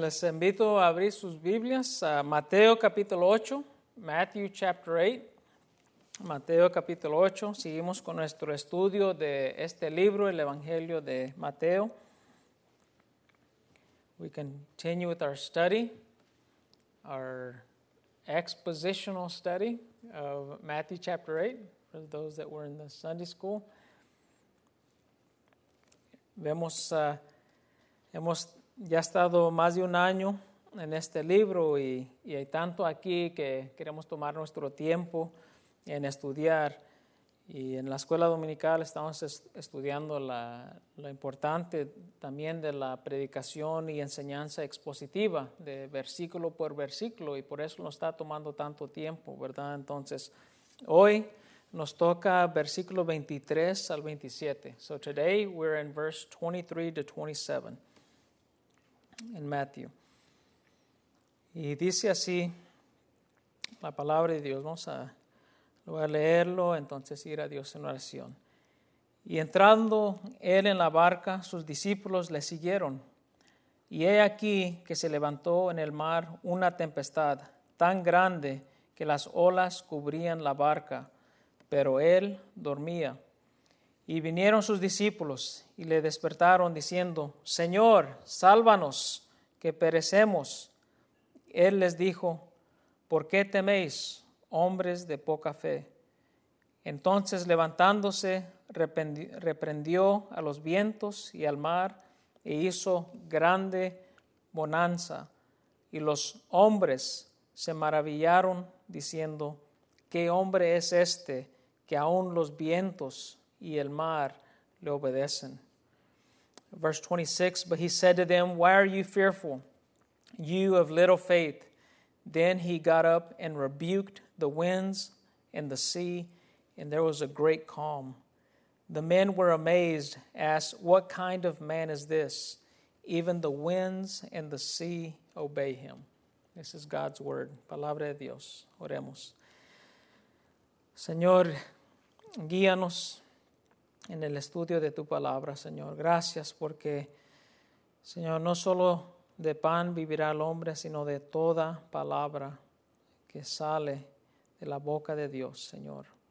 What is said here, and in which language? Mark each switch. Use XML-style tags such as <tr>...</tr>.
<es>Les invito a abrir sus Biblias a Mateo capítulo 8,</es> <en>Matthew chapter 8,</en> <es>Mateo capítulo 8. Seguimos con nuestro estudio de este libro, el Evangelio de Mateo.</es> <en>We continue with our study, our expositional study of Matthew chapter 8, for those that were in the Sunday school.</en> <es>Vemos, hemos ya estado más de un año en este libro y hay tanto aquí que queremos tomar nuestro tiempo en estudiar. Y en la escuela dominical estamos estudiando lo importante también de la predicación y enseñanza expositiva de versículo por versículo, y por eso nos está tomando tanto tiempo, ¿verdad? Entonces, hoy nos toca versículo 23 al 27.</es> <en>So today we're in verse 23 to 27 in Matthew.</en> <es>Y dice así la palabra de Dios. Vamos a leerlo, entonces ir a Dios en oración. Y entrando él en la barca, sus discípulos le siguieron. Y he aquí que se levantó en el mar una tempestad tan grande que las olas cubrían la barca, pero él dormía. Y vinieron sus discípulos y le despertaron diciendo: Señor, sálvanos, que perecemos. Él les dijo: ¿Por qué teméis, hombres de poca fe? Entonces, levantándose, reprendió a los vientos y al mar, e hizo grande bonanza. Y los hombres se maravillaron diciendo: ¿Qué hombre es este que aún los vientos y el mar le obedecen?</es> <en>Verse 26, but he said to them, why are you fearful, you of little faith? Then he got up and rebuked the winds and the sea, and there was a great calm. The men were amazed, asked, what kind of man is this? Even the winds and the sea obey him. This is God's word.</en> <es>Palabra de Dios. Oremos. Señor, guíanos en el estudio de tu palabra, Señor. Gracias porque, Señor, no solo de pan vivirá el hombre, sino de toda palabra que sale de la boca de Dios, Señor.</es>